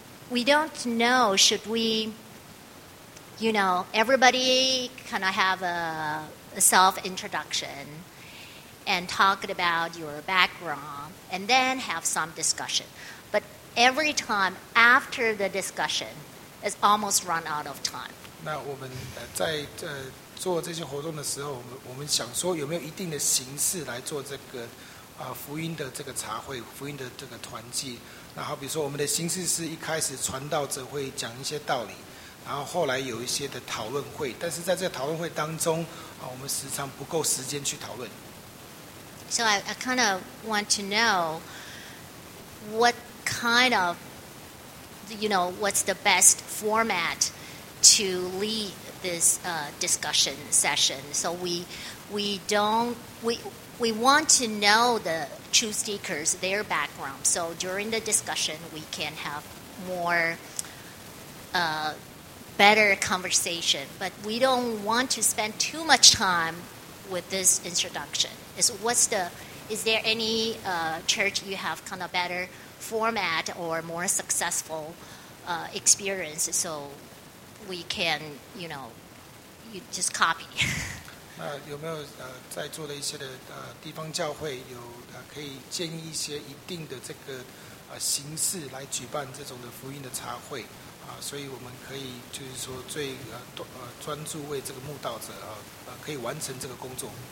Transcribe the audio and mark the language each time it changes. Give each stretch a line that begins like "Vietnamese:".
English: We don't know, should we, you know, everybody kind of have a self-introduction and talk about your background and then have some discussion. But every time after the discussion, it's almost run out of time.
Chinese: 那我们在做这些活动的时候，我们想说有没有一定的形式来做这个福音的这个茶会、福音的这个团契？那好比说，我们的形式是一开始传道者会讲一些道理，然后后来有一些的讨论会。但是在这个讨论会当中我们时常不够时间去讨论。
English: So I kind of want to know what kind of, you know, what's the best format. To lead this discussion session, so we want to know the two speakers, their background. So during the discussion, we can have more better conversation. But we don't want to spend too much time with this introduction. Is what's the is there any church you have kind of better format or more successful experience so we can, you know, you just copy?
Chinese: 有没有在座的一些地方教会有可以建议一些一定的这个形式来举办这种的福音的茶会？所以我们可以就是说最专注为这个慕道者可以完成这个工作。